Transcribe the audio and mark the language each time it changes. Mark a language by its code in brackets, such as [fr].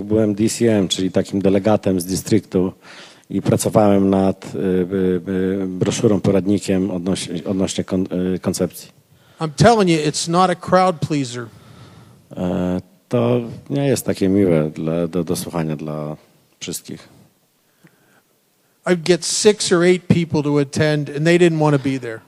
[pl] byłem DCM, czyli takim delegatem z dystryktu i pracowałem nad broszurą, poradnikiem odnośnie koncepcji. [en] I'm telling you, it's not a crowd pleaser. [pl] To nie jest takie miłe do słuchania dla wszystkich. [en] I'd get 6 or 8 people to attend and they didn't want to be there.